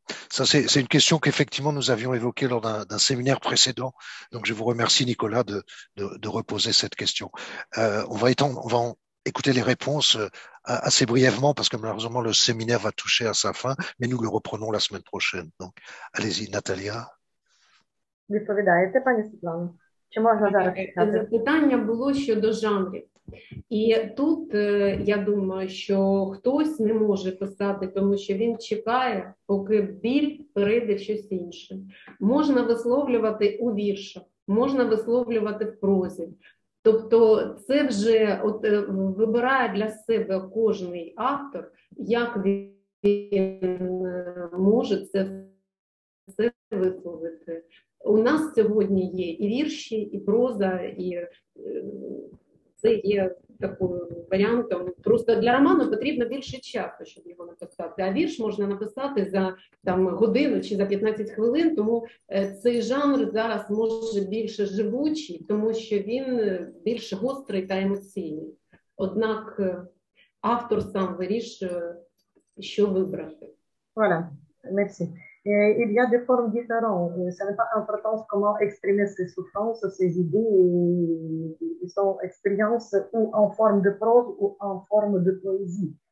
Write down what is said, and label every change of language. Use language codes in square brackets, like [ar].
[fr] c'est une question qu'effectivement nous avions évoquée lors d'un séminaire précédent. Donc je vous remercie, Nicolas, de reposer cette question. On va écouter les réponses assez brièvement parce que malheureusement le séminaire va toucher à sa fin, mais nous le reprenons la semaine prochaine. Donc allez-y, Natalia. [uk] Відповідаєте, пані Світлано? Чи можна зараз? Запитання було щодо жанрів. І тут, я думаю, що хтось не може писати, тому що він чекає, поки біль перейде щось інше. Можна висловлювати у віршах, можна висловлювати в прозі. Тобто це вже от, вибирає для себе кожен автор, як він може це все висловити. У нас сьогодні є і вірші, і проза, і це є таким варіантом. Просто для роману потрібно більше часу, щоб його написати. А вірш можна написати за там годину чи за 15 хвилин, тому цей жанр зараз може більше живучий, тому що він більш гострий та емоційний. Однак автор сам вирішує, що вибрати. [fr] Voilà. Merci. Il y a des formes différentes. Ce n'est pas important comment exprimer ses souffrances, ses idées, son expérience, ou en forme de prose, ou en forme de poésie.